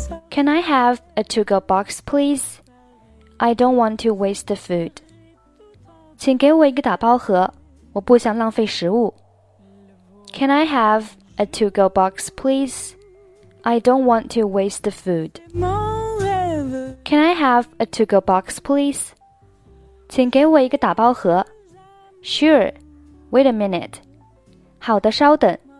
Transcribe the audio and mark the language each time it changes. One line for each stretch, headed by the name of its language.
English: Can I have a to-go box, please? I don't want to waste the food.
Chinese: 请给我一个打包盒，我不想浪费食物。
English: Can I have a to-go box, please? I don't want to waste the food. Can I have a to-go box, please?
Chinese: 请给我一个打包盒。
English: Sure, wait a minute.
Chinese: 好的，稍等。